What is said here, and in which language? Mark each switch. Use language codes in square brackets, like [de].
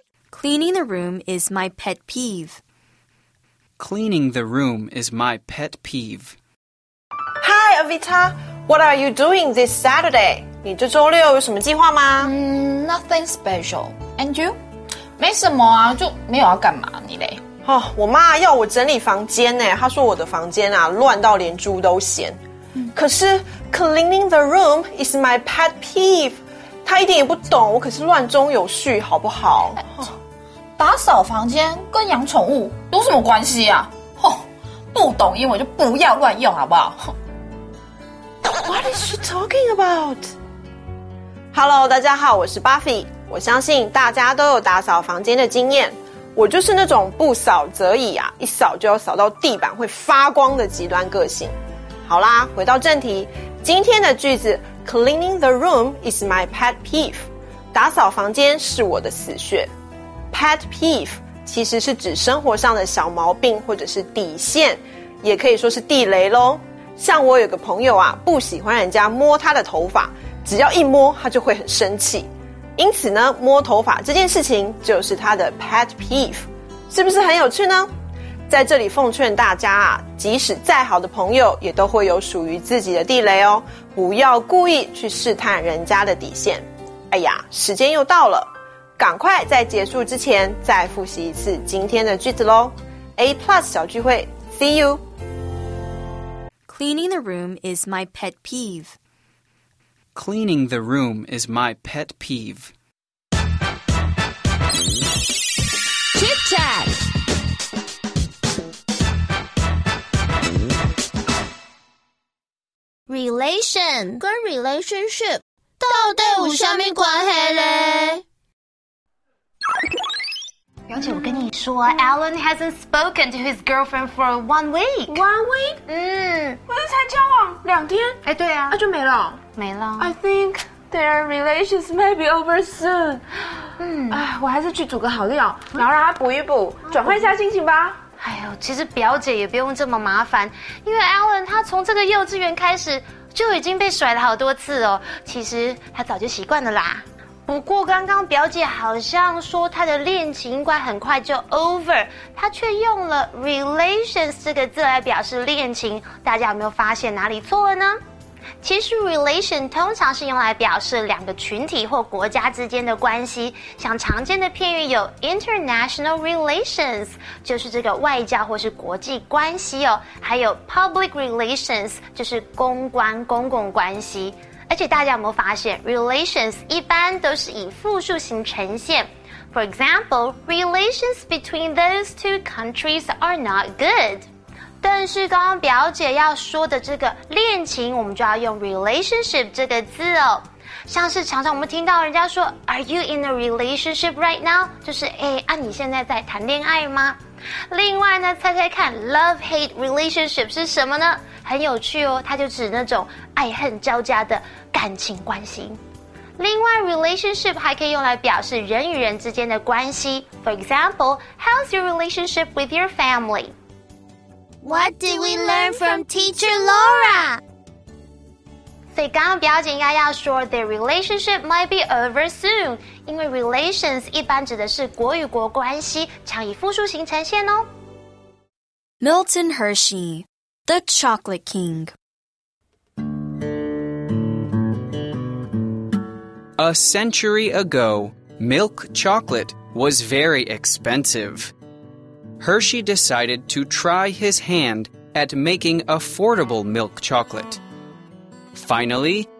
[en] Cleaning the room is my pet peeve. Cleaning the room is my pet peeve. Hi, Avita. What are you doing this Saturday? [zh] 你这周六有什么计划吗？ [en] Nothing special. And you? [zh] 没什么啊，就没有要干嘛你嘞？哦，我妈要我整理房间呢，她说我的房间啊乱到连猪都嫌。可是 [en] cleaning the room is my pet peeve. [zh] 他一定也不懂我可是乱中有序好不好？打扫房间跟养宠物有什么关系啊？不懂英文就不要乱用好不好？ [en] What is she talking about? Hello, [zh] 大家好，我是 Buffy。我相信大家都有打扫房间的经验，我就是那种不扫则已啊，一扫就要扫到地板会发光的极端个性。好啦，回到正题，今天的句子 [en] Cleaning the room is my pet peeve. [zh] 打扫房间是我的死穴。 Pet peeve 其实是指生活上的小毛病或者是底线，也可以说是地雷咯。像我有个朋友啊，不喜欢人家摸他的头发，只要一摸他就会很生气，因此呢摸头发这件事情就是他的 pet peeve。是不是很有趣呢？在这里奉劝大家啊，即使再好的朋友也都会有属于自己的地雷哦，不要故意去试探人家的底线。哎呀，时间又到了，赶快在结束之前再复习一次今天的句子咯。 [en] A Plus [zh] 小聚会 [en] See you. Cleaning the room is my pet peeve. Cleaning the room is my pet peeve. Chit Chat. Relation [zh] 跟 relationship 到底有什么关系嘞？表姐，我跟你说 [en] ，Alan hasn't spoken to his girlfriend for 1 week. 1 week? [zh] 不是才交往两天？哎，对啊，啊就没了，没了。 [en] I think their relations may be over soon. [zh] 我还是去煮个好料，然后让他补一补，转换一下心情吧。哎呦，其实表姐也不用这么麻烦，因为 Alan 他从这个幼稚园开始就已经被甩了好多次哦，其实他早就习惯了啦。不过刚刚表姐好像说他的恋情应该很快就 over， 他却用了 relations 这个字来表示恋情，大家有没有发现哪里错了呢？其实 relation 通常是用来表示两个群体或国家之间的关系，像常见的片语有 international relations， 就是这个外交或是国际关系哦，还有 public relations， 就是公关公共关系。而且大家有没有发现 relations 一般都是以复数形呈现？ [en] For example, relations between those two countries are not good. [zh] 但是刚刚表姐要说的这个恋情，我们就要用 relationship 这个字哦。像是常常我们听到人家说 [en] Are you in a relationship right now? [zh] 就是你现在在谈恋爱吗？另外呢，猜猜看 love-hate relationship 是什么呢？很有趣哦，它就指那种爱恨交加的感情关系。另外 relationship 还可以用来表示人与人之间的关系。 [en] For example, how's your relationship with your family? What did we learn from Teacher Laura? [zh] 所以刚刚表姐应该要说 [en] their relationship might be over soon， [zh] 因为 relations 一般指的是国与国关系，常以复数形呈现哦。 [en] Milton Hershey, The Chocolate King. A century ago, milk chocolate was very expensive. Hershey decided to try his hand at making affordable milk chocolate. Finally,